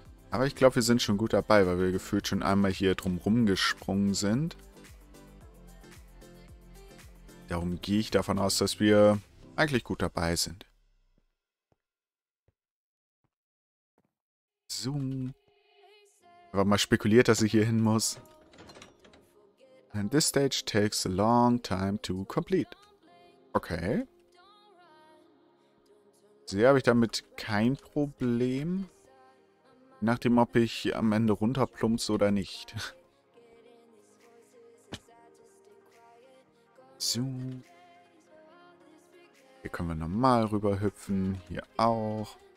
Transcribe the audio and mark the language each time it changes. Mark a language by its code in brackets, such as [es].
[de] Aber ich glaube, wir sind schon gut dabei, weil wir gefühlt schon einmal hier drumrum gesprungen sind. Darum gehe ich davon aus, dass wir eigentlich gut dabei sind. So. Einfach mal spekuliert, dass ich hier hin muss. [en] And this stage takes a long time to complete. Okay. [de] Sehr habe ich damit kein Problem. Je nachdem, ob ich am Ende runterplumpse oder nicht. So. Hier können wir normal rüber hüpfen. Hier auch.